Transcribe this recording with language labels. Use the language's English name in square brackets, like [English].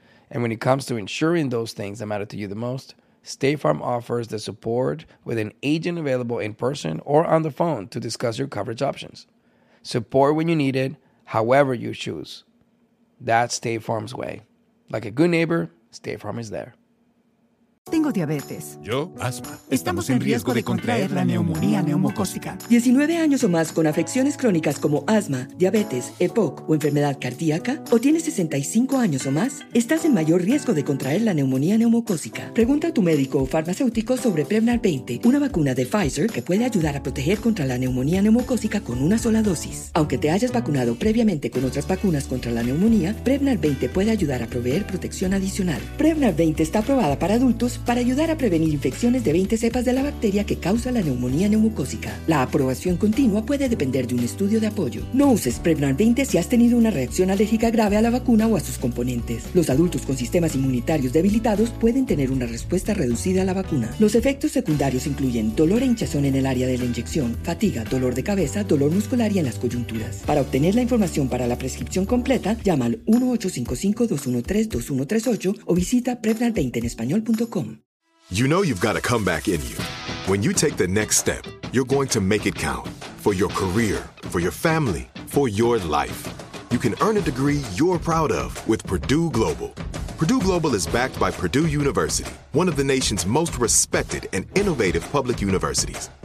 [English] And when it comes to ensuring those things that matter to you the most, State Farm offers the support with an agent available in person or on the phone to discuss your coverage options. Support when you need it, however you choose. That's State Farm's way. Like a good neighbor, State Farm is there. [Spanish] Tengo diabetes. Yo, asma. Estamos en riesgo de contraer la neumonía neumocócica. 19 años o más con afecciones crónicas como asma, diabetes, EPOC o enfermedad cardíaca, o tienes 65 años o más, estás en mayor riesgo de contraer la neumonía neumocócica. Pregunta a tu médico o farmacéutico sobre Prevnar 20, una vacuna de Pfizer que puede ayudar a proteger contra la neumonía neumocócica con una sola dosis. Aunque te hayas vacunado previamente con otras vacunas contra la neumonía, Prevnar 20 puede ayudar a proveer protección adicional. Prevnar 20 está aprobada para adultos para ayudar a prevenir infecciones de 20 cepas de la bacteria que causa la neumonía neumocócica. La aprobación continua puede depender de un estudio de apoyo. No uses Prevnar 20 si has tenido una reacción alérgica grave a la vacuna o a sus componentes. Los adultos con sistemas inmunitarios debilitados pueden tener una respuesta reducida a la vacuna. Los efectos secundarios incluyen dolor e hinchazón en el área de la inyección, fatiga, dolor de cabeza, dolor muscular y en las coyunturas. Para obtener la información para la prescripción completa, llama al 1-855-213-2138 o visita Prevnar20enespañol.com. [English] You know you've got a comeback in you. When you take the next step, you're going to make it count. For your career, for your family, for your life. You can earn a degree you're proud of with Purdue Global. Purdue Global is backed by Purdue University, one of the nation's most respected and innovative public universities.